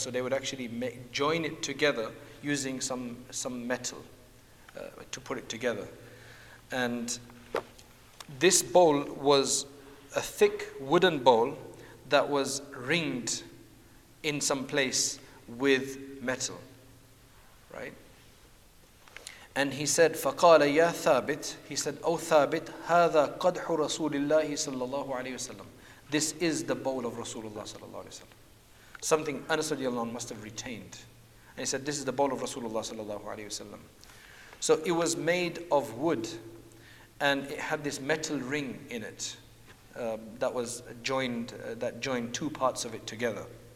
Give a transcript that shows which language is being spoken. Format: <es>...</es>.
<en>So they would actually join it together using some metal to put it together. And this bowl was a thick wooden bowl that was ringed in some place with metal. Right? And he said,</en> <ar>فَقَالَ يَا ثَابِتَ,</ar> <en>he said, O Thabit,</en> <ar>هَذَا قَدْحُ رَسُولِ اللَّهِ صَلَّى اللَّهُ عَلَيْهِ وَسَلَّمُ.</ar> <en>This is the bowl of Rasulullah sallallahu alayhi wa sallam. Something Anas radiallahu anhu must have retained. And he said, this is the bowl of Rasulullah sallallahu alayhi wa sallam. So it was made of wood, and it had this metal ring in it that joined two parts of it together.</en>